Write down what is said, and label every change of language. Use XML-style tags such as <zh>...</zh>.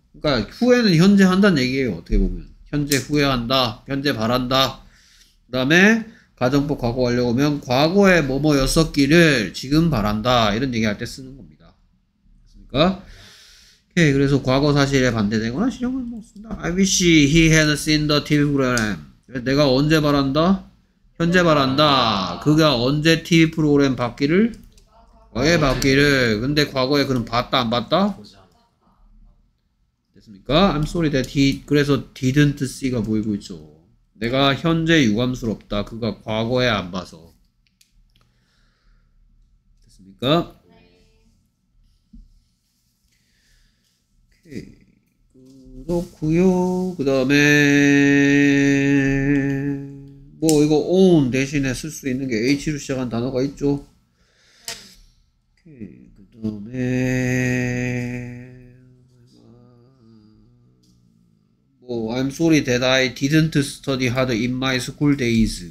<ko>그러니까 후회는 현재 한다는 얘기예요. 어떻게 보면 현재 후회한다, 현재 바란다. 그 다음에 가정법 과거 하려고 하면 과거에 뭐뭐였었기를 지금 바란다 이런 얘기할 때 쓰는 겁니다. 그러니까 오케이, 그래서 과거 사실에 반대되거나 실형을 못 쓴다.</ko> <en>I wish he had seen the TV program.</en> <ko>내가 언제 바란다? 현재 바란다. 그가 언제 TV 프로그램 봤기를? 왜 봤기를? 근데 과거에 그럼 봤다 안 봤다? 됐습니까?</ko> <en>I'm sorry that he</en> <ko>그래서 didn't see가 보이고 있죠. 내가 현재 유감스럽다. 그가 과거에 안 봐서. 됐습니까? 오케이. 그렇구요. 그 다음에 뭐 이거 on 대신에 쓸 수 있는 게 h로 시작한 단어가 있죠. 그 다음에 뭐</ko> <en>I'm sorry that I didn't study hard in my school days.</en>